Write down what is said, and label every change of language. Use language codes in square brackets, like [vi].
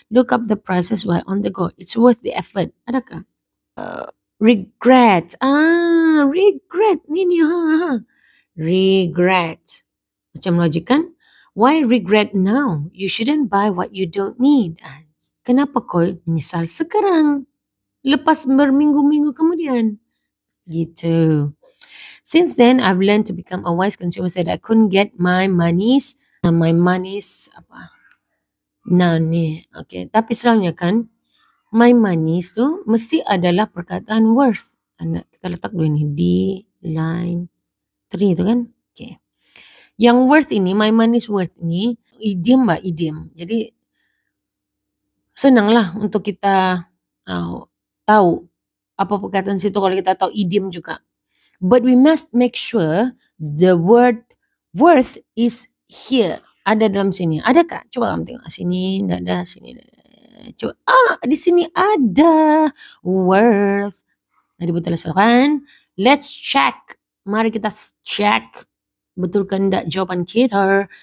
[en] Look up the prices while on the go. It's worth the effort. [ms] Adakah? [en] Regret. Regret. [ms] Ni ha. [en] Regret. [ms] Macam logik kan? [en] Why regret now? You shouldn't buy what you don't need. [ms] Kenapa kau menyesal sekarang? Lepas berminggu-minggu kemudian. Gitu. [en] Since then, I've learned to become a wise consumer so that I couldn't get my money's, [ms] apa? Nani. Okay. Tapi selalunya kan, [en] my money's [ms] tu mesti adalah perkataan worth. Kita letak dua ni. D, line, three tu kan? Okay. Yang worth ini, [en] my money's worth [ms] ini, idiom lah, idiom. Jadi, senanglah untuk kita tahu apa perkataan situ kalau kita tahu idiom juga. [en] But we must make sure the word worth is here. [ms] Ada dalam sini. Adakah? Coba kamu tengok. Sini, tidak ada. Sini, tidak ada. Coba. Di sini ada worth. Ada betul lah, kan? [en] Let's check. [ms] Mari kita check. Betulkan tak jawapan kita?